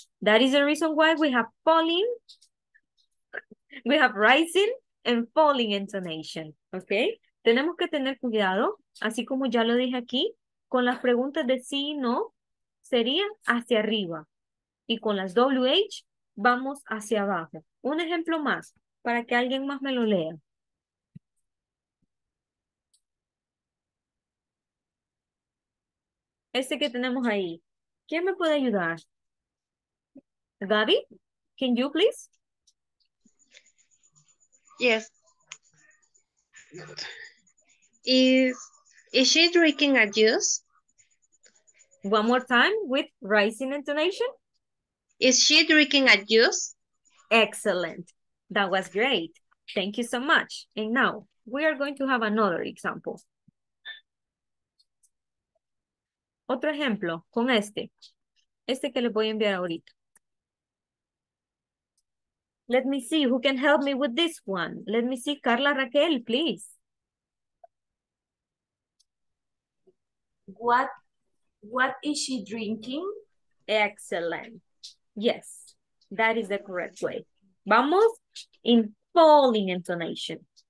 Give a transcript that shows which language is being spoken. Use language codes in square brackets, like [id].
[en] That is the reason why we have falling, we have rising and falling intonation, okay? [es] Tenemos que tener cuidado, así como ya lo dije aquí, con las preguntas de sí y no, sería hacia arriba. Y con las WH, vamos hacia abajo. Un ejemplo más, para que alguien más me lo lea. Este que tenemos ahí. ¿Quién me puede ayudar? [en] Gaby, can you please? Yes. Is she drinking a juice? One more time with rising intonation. Is she drinking a juice? Excellent. That was great. Thank you so much. And now we are going to have another example. [es] Otro ejemplo con este que les voy a enviar ahorita. [en] Let me see who can help me with this one. Let me see, Carla, Raquel, please. What is she drinking? Excellent. Yes, that is the correct way. [es] Vamos [en] in falling intonation.